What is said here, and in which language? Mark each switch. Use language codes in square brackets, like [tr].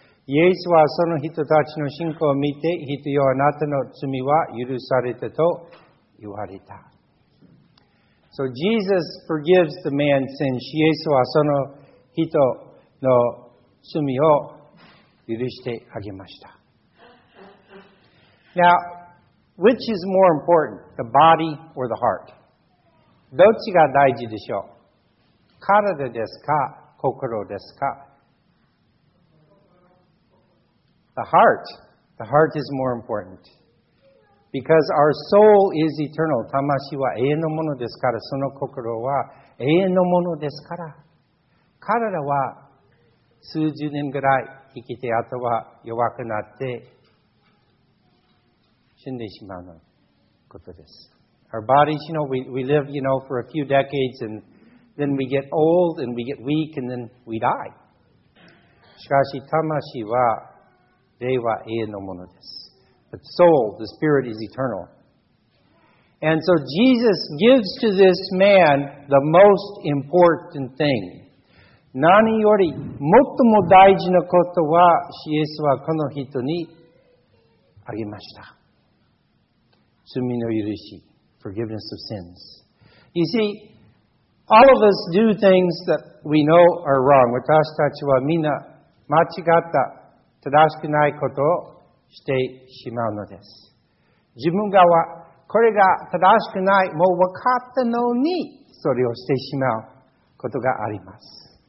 [ja] イエスはその人たちの信仰を見て、人よあなたの罪は許されたと言われた。 [en] So Jesus forgives the man's sins. [ja] イエスはその人の罪を許してあげました。 [en] Now, which is more important, the body or the heart? [ja] どっちが大事でしょう? 体ですか?心ですか? [en] The heart is more important. Because our soul is eternal. [ja] 魂は永遠のものですから、その心は永遠のものですから。体は数十年ぐらい生きて、あとは弱くなって死んでしまうのことです。 [en] Our bodies, you know, we live, you know, for a few decades and then we get old and we get weak and then we die. [ja] しかし、魂は霊は永遠のものです。 [en] The soul, the spirit is eternal. And so Jesus gives to this man the most important thing. [ja] 何より最も大事なことは、イエスはこの人にあげました。罪の許し、 [en] forgiveness of sins. You see, all of us do things that we know are wrong. [ja] 私たちはみんな間違った。正しくないことをしてしまうのです。自分がこれが正しくない、もう分かったのにそれをしてしまうことがあります。